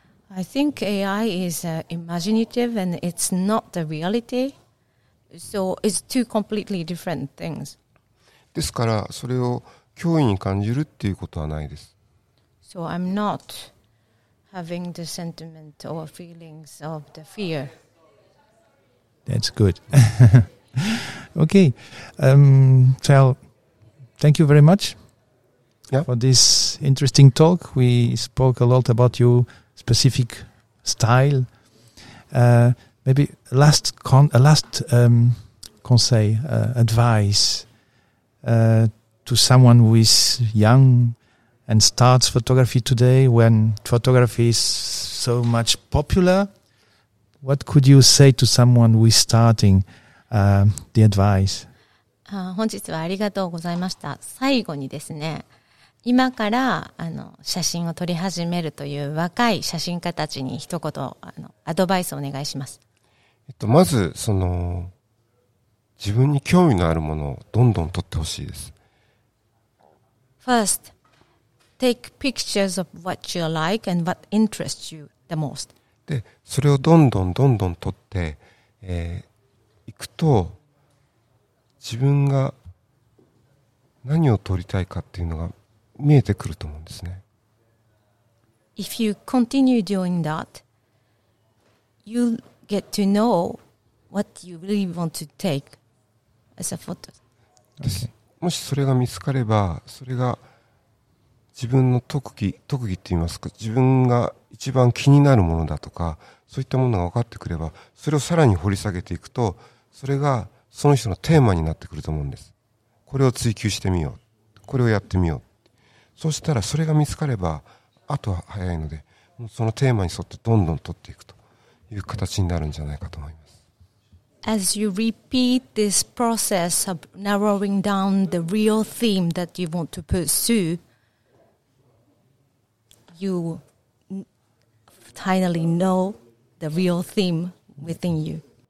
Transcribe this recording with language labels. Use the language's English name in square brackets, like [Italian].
[English] I think AI is imaginative and it's not the reality. So it's two completely different things. [Japanese] ですから、それを脅威に感じるっていうことはないです。 [English] So I'm not having the sentiment or feelings of the fear. That's good. Okay. Well, thank you very much for this interesting talk. We spoke a lot about your specific style. Maybe advice to someone who is young and starts photography today, when photography is so much popular. What could you say to someone who is starting the advice? [Japanese] 本日はありがとうございました。最後にですね、今から写真を撮り始めるという若い写真家たちに一言アドバイスをお願いします。まず自分に興味のあるものをどんどん撮ってほしいです。 [English] First, take pictures of what you like and what interests you. the most. [Japanese] で、それをどんどんどんどん取って、いくと、自分が何を取りたいかっていうのが見えてくると思うんですね。 [English] If you continue doing that, you get to know what you really want to take as a photo. [Japanese] もしそれが見つかれば、それが自分の特技って言いますか、自分が一番気になるものだとか、そういったものが分かってくれば、それをさらに掘り下げていくと、それがその人のテーマになってくると思うんです。これを追求してみよう。これをやってみよう。そうしたらそれが見つかれば、あとは早いので、そのテーマに沿ってどんどん取っていくという形になるんじゃないかと思います。 [English] As you repeat this process of narrowing down the real theme that you want to pursue, you finally know the real theme within you.